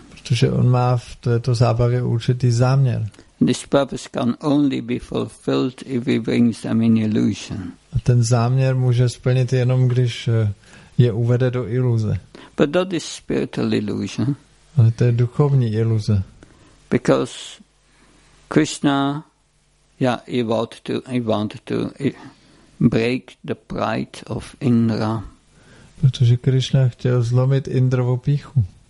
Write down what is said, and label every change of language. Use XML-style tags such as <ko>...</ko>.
<cs>Protože on má v této zábavě určitý záměr.</cs> <en>This purpose can only be fulfilled if he brings them in illusion.</en> <cs>A ten záměr může splnit jenom, když je uvede do iluze.</cs> <en>But that is spiritual illusion.</en> <cs>Ale to je duchovní iluze.</cs> <en>Because Krishna, he wanted to break the pride of Indra.</en> <cs>Protože Krishna chtěl zlomit Indrovu píchu.</cs>